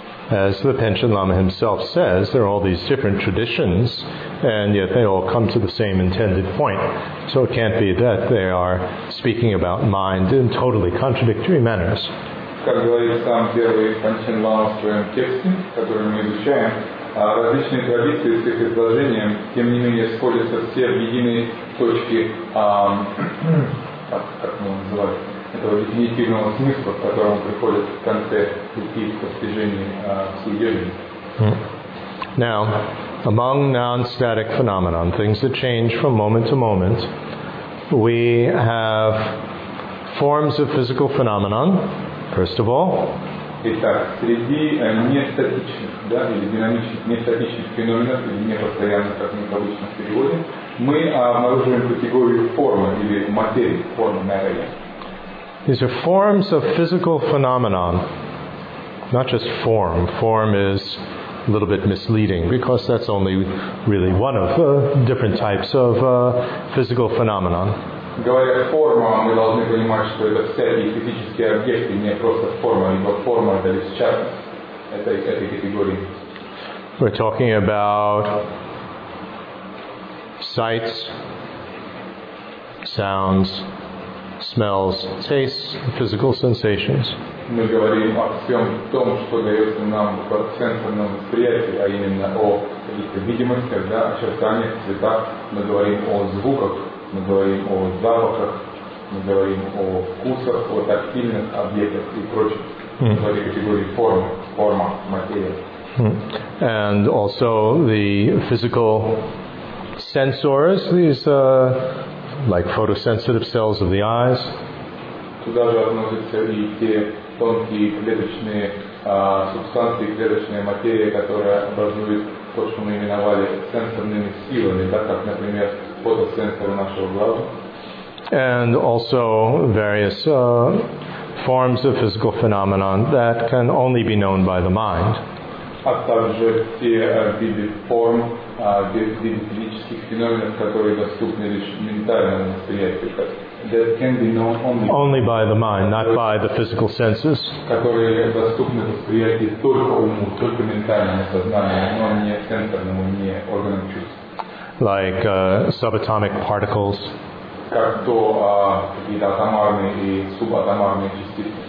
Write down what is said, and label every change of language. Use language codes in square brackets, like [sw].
[en] As the Panchen Lama himself says, there are all these different traditions, and yet they all come to the same intended point. So it can't be that they are speaking about mind in totally contradictory manners. [ru] Как говорит сам первый Панчен Лама в своем тексте, который мы изучаем, различные традиции с их изложением, тем не менее, сходятся все в единой точке, как мы его называем, этого дефинитивного смысла, к которому приходят в конце пути к постижению судьбы. [en] Now, among non-static phenomena, things that change from moment to moment, we have forms of physical phenomena, first of all. [ru] Итак, среди нестатичных, да, или динамичных, нестатичных феноменов, или непостоянных, как мы обычно переводим, мы обнаруживаем категорию формы, или материи, формы, наверное. [en] These are forms of physical phenomena, not just form. Form is a little bit misleading because that's only really one of the different types of physical phenomena. [ru] Говоря о формах, мы должны понимать, что это всякие физические объекты, не просто форма, либо форма, это лишь часть этой категории. [en] We're talking about sights, sounds, smells, tastes, physical sensations. [ru] Мы говорим о всем том, что дается нам в сенсорном восприятии, а именно о каких-то видимостях, да, очертаниях, цветах. Мы говорим о звуках, мы говорим о запахах, мы говорим о вкусах, о тактильных объектах и прочих. В этой категории формы, форма, материя. [en] And also the physical sensors, these like photosensitive cells of the eyes. [ru] Туда же относятся и те тонкие клеточные субстанции, клеточная материя, которая образует то, что мы именовали сенсорными силами, так как, например, фотосенсоры нашего глаза. [en] And also various forms of physical phenomena that can only be known by the mind. [ru] А также те виды форм, виды физических феноменов, которые доступны лишь ментальному восприятию, [en] that can be known only by the mind, not by the physical senses. [ru] Которые доступны восприятию только уму, только ментальному сознанию, но не сенсорному, не органам чувств. [en] Like subatomic particles. [ru] Как то какие-то атомарные и субатомарные частицы.